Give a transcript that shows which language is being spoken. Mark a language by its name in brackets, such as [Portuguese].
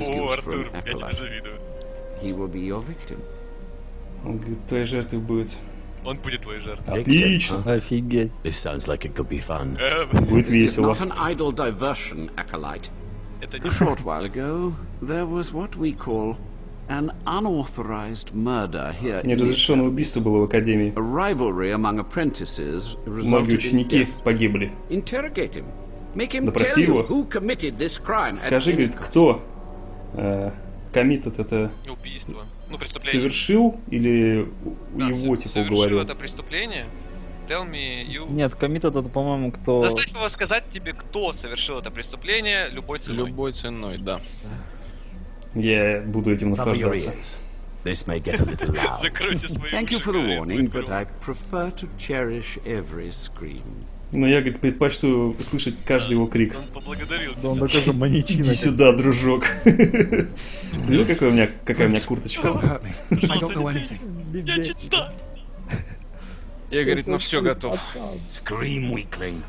[Russian] О, Артур, я тебя завидую. Он, говорит, твоей жертвой будет. Он будет твоей жертвой. Отлично! Офигеть. [English] This sounds like it could be fun. [Russian] Будет весело. [English] Not an idle diversion, acolyte. A short while ago, there was what we call an unauthorized murder here. [Russian] Неразрешенное убийство было в академии. [English] A rivalry among apprentices resulted in death. [Russian] Допроси его. Скажи, говорит, кто committed это... Убийство. Ну, преступление. Совершил или да, его, типа, совершил уговорил? Совершил это преступление? [English] Tell me you... [Russian] Нет, committed это, по-моему, кто... Заставь его сказать тебе, кто совершил это преступление любой ценой. Любой ценой, да. Я буду этим наслаждаться. [English] This may get a little loud. Thank you for the warning, but I prefer to cherish every scream. [Russian] Но я, говорит, предпочту слышать каждый его крик. Он поблагодарил. Да он такой же маньячина. Иди сюда, дружок. Видел, какая у меня, какая у меня курточка? [English] I don't know anything. [Russian] Я чуть стал. Я, говорит, на все готов. [English] Scream, weakling.